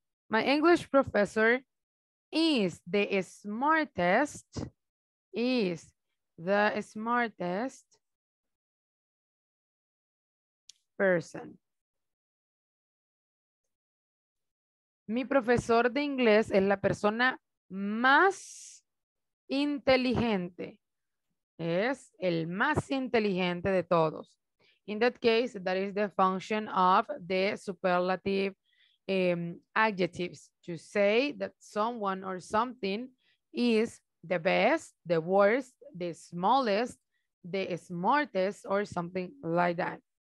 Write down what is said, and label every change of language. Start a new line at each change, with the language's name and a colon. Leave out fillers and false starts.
English: My English professor is the smartest, is the smartest person.
Spanish: Mi profesor de inglés es la persona más inteligente. Es el más inteligente de todos.
English: In that case, that is the function of the superlative adjectives. To say that someone or something is the best, the worst, the smallest, the smartest, or something like that.